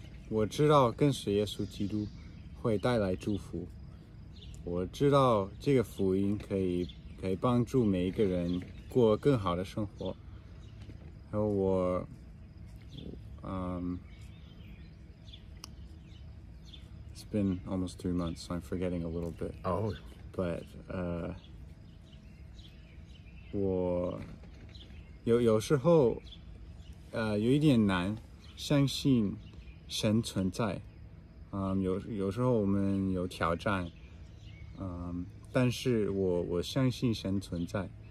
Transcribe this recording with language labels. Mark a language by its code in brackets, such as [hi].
[zh] 我知道跟随耶稣基督会带来祝福。我知道这个福音可以帮助每一个人过更好的生活。还有我， [en] It's been almost 3 months, so I'm forgetting a little bit. Oh. [zh] But, 我有时候，有一点难相信神存在。有时候我们有挑战，但是我相信神存在。